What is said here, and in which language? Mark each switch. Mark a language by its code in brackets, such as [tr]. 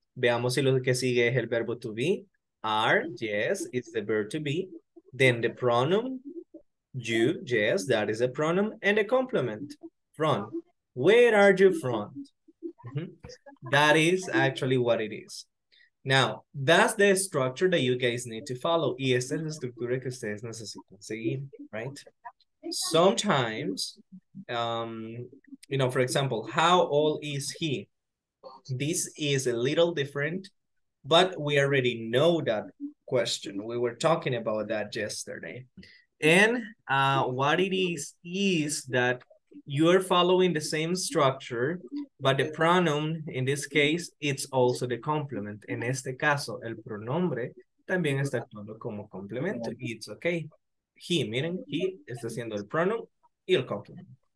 [es] Veamos si lo que sigue es el verbo to be. [en] Are, yes, it's the verb to be. Then the pronoun, you, yes, that is a pronoun. And the complement, from. Where are you from? Mm-hmm. That is actually what it is. Now, that's the structure that you guys need to follow. [es] Y esta es la estructura que ustedes necesitan seguir, right? [en] Sometimes, you know, for example, how old is he? This is a little different but we already know that question. We were talking about that yesterday. And what it is that you're following the same structure, but the pronoun, in this case, it's also the complement. [es] En este caso, el pronombre también está actuando como complemento. [en] It's okay. [es] He, miren, he está haciendo el pronoun y el complement.